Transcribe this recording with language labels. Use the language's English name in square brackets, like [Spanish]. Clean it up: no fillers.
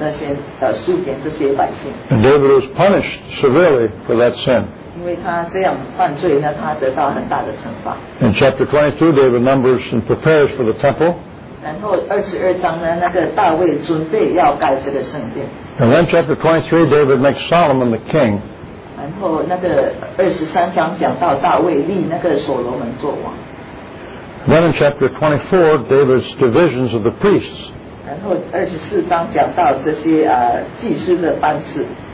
[Chinese] 那个大卫没有听从上帝的话语，他还是去这些输别这些百姓。 [English] And David was punished severely for that sin. [Chinese] 因为他这样犯罪呢，他得到很大的惩罚。 [English] In chapter 22, David numbers and prepares for the temple. [Chinese] 然后22章呢，那个大卫准备要盖这个圣殿。 [English] And then chapter 23, David makes Solomon the king. [Chinese] 然后那个23章讲到大卫立那个所罗门做王。 [English] Then in chapter 24, David's divisions of the priests. [Chinese] 然后24章讲到这些祭司的班次。